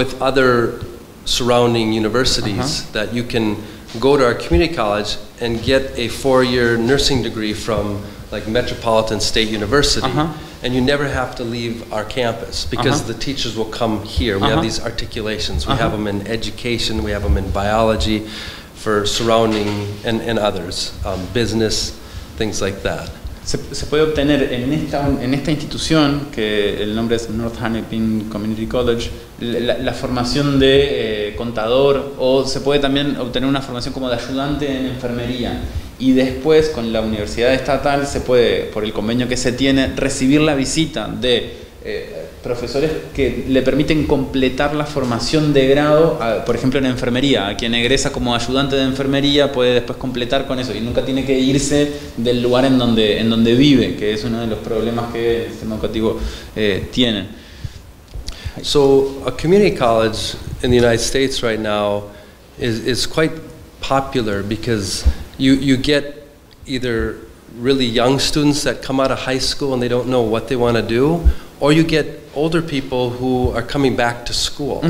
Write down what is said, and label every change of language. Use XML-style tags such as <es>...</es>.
<en>with other surrounding universities uh-huh. that you can go to our community college and get a 4-year nursing degree from like Metropolitan State University uh-huh. and you never have to leave our campus because uh-huh. the teachers will come here. We uh-huh. have these articulations. We uh-huh. have them in education, we have them in biology for surrounding and others, business, things like that.</en> <es>Se puede obtener en esta institución, que el nombre es North Hennepin Community College, la formación de contador, o se puede también obtener una formación como de ayudante en enfermería. Y después, con la universidad estatal, se puede, por el convenio que se tiene, recibir la visita de profesores que le permiten completar la formación de grado, por ejemplo, en enfermería. Quien egresa como ayudante de enfermería puede después completar con eso y nunca tiene que irse del lugar en donde vive, que es uno de los problemas que el sistema educativo tiene.</es> <en>So, a community college in the United States right now is quite popular because you get either really young students that come out of high school and they don't know what they want to do, or you get older people who are coming back to school.</en>